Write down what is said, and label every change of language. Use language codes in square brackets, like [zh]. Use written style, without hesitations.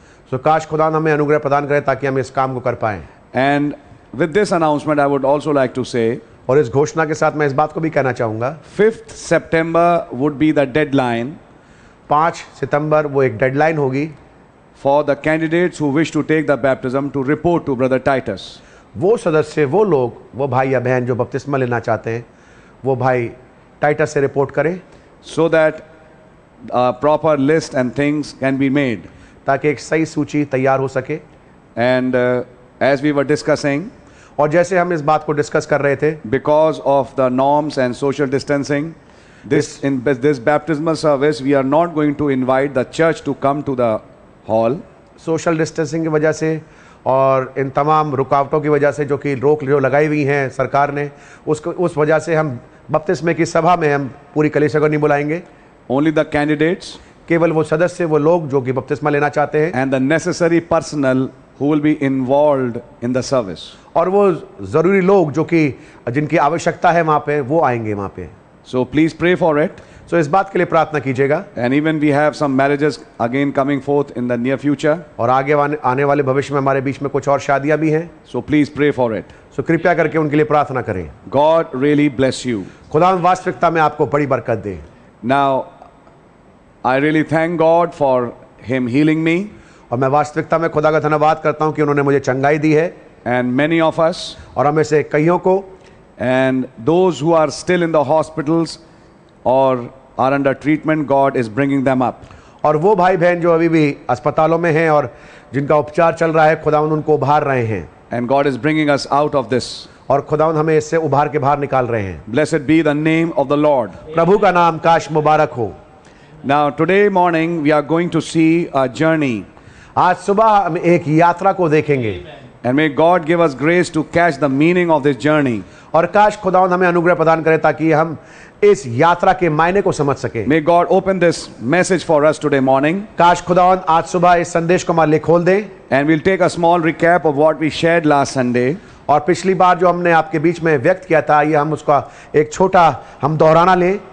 [hi] So काश खुदा हमें अनुग्रह प्रदान करे ताकि हम इस काम को कर पाएं. [en] And with this announcement, I would also like to say, [hi] और इस घोषणा के साथ मैं इस बात को भी कहना चाहूंगा, [en] 5th September would be the deadline. [hi] 5 सितंबर वो एक डेडलाइन होगी [en] for the candidates who wish to take the baptism to report to Brother Titus. [hi] वो सदस्य, वो लोग, वो भाई या बहन जो बपतिस्मा लेना चाहते हैं, वो भाई टाइटस से रिपोर्ट करें. [en] so that proper list and things can be made, [hi] ताकि एक सही सूची तैयार हो सके. [en] and as we were discussing, [hi] और जैसे हम इस बात को डिस्कस कर रहे थे, [en] Because of the norms and social distancing, This baptismal service, we are not going to invite the church to come to the hall. [hi] Social distancing की वजह से और इन तमाम रुकावटों की वजह से जो कि रोक जो लगाई हुई हैं सरकार ने उसको उस वजह से हम बपतिस्मे की सभा में हम पूरी कलीसिया को नहीं बुलाएंगे. [en] Only the candidates. [hi] केवल वो सदस्य वो लोग जो कि बपतिस्मा लेना चाहते हैं. [en] And the necessary personnel who will be involved in the service. [hi] और वो जरूरी लोग जो कि जिनकी आवश्यकता है वहाँ पे वो आएंगे वहाँ पे. [en] So please pray for it. [hi] So इस बात के लिए प्रार्थना कीजिएगा. [en] And even we have some marriages again coming forth in the near future. [hi] और आगे आने वाले भविष्य में हमारे बीच में कुछ और शादियां भी हैं. [en] So please pray for it. [hi] So कृपया करके उनके लिए प्रार्थना करें. [en] God really bless you. [hi] खुदा वास्तविकता में आपको बड़ी बरकत दे. [en] Now I really thank God for him healing me. [hi] और मैं वास्तविकता में खुदा का धन्यवाद करता हूं कि उन्होंने मुझे चंगाई दी है. [en] And many of us. [hi] और हमें से कईयों को. [en] And those who are still in the hospitals or are under treatment, God is bringing them up. [hi] और वो भाई बहन जो अभी भी अस्पतालों में हैं और जिनका उपचार चल रहा है, खुदावन उनको उभार रहे हैं. [en] And God is bringing us out of this. [hi] और खुदावन हमें इससे उभार के बाहर निकाल रहे हैं. [en] Blessed be the name of the Lord. [hi] प्रभु का नाम काश मुबारक हो. [en] Now today morning we are going to see a journey. [hi] आज सुबह हम एक यात्रा को देखेंगे. [en] And may God give us grace to catch the meaning of this journey. [hi] और काश खुदावन हमें अनुग्रह प्रदान करे ताकि हम इस यात्रा के मायने को समझ सके. [en] May God open this message for us today morning. [hi] काश खुदावन आज सुबह इस संदेश को हमारे लिए खोल दे. [en] And we'll take a small recap of what we shared last Sunday. [hi] और पिछली बार जो हमने आपके बीच में व्यक्त किया था, ये हम उसका एक छोटा हम दोहराना लें.